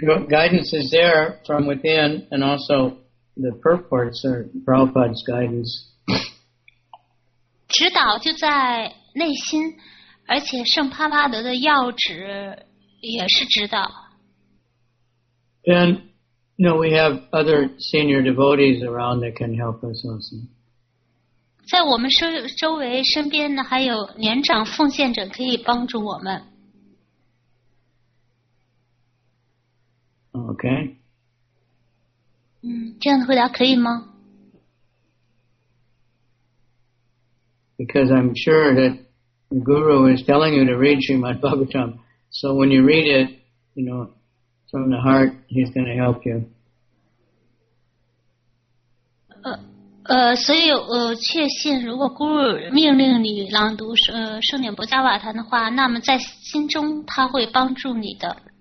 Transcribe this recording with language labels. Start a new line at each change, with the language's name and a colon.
English: Guidance is there from within, and also the purports are Prabhupada's guidance.
Chinese: 指导就在内心，而且圣帕帕德的要旨也是指导。
English: And you know, we have other senior devotees around that can help us also.
Chinese: 在我们周围身边呢，还有年长奉献者可以帮助我们。
English: Okay.
Chinese: 这样的回答可以吗？
English: Because I'm sure that the guru is telling you to read Srimad Bhagavatam. So when you read it, you know, from the heart, he's going to help you.
Chinese: 所以确信如果 guru 命令你朗读圣莲博加瓦坛的话，那么在心中他会帮助你的。